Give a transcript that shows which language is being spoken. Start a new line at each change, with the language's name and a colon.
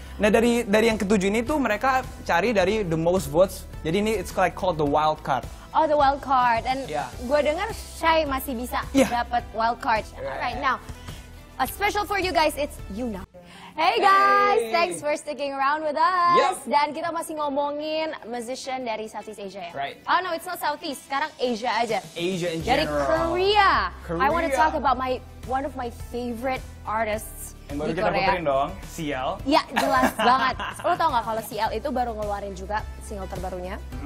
Indonesian: Nah, dari yang ketujuh ini tuh mereka cari dari the most votes.
English: Jadi ini it's like called the wild card. Oh, the wild card.
Indonesian: And gua dengar Shay masih bisa dapat wild card.
English: All right. Now, a special for you guys, it's Yuna. Hey guys, thanks for sticking around with us.
Indonesian: Dan kita masih ngomongin musician dari Southeast Asia ya.
English: Right. Oh no, it's not Southeast. Sekarang Asia aja. Asia in general.
Indonesian: Dari Korea. Korea.
English: I want to talk about one of my favorite artists.
Indonesian: Yang baru kita puterin dong, CL. Ya, jelas banget. Lo tau gak kalau CL itu baru ngeluarin juga single terbarunya.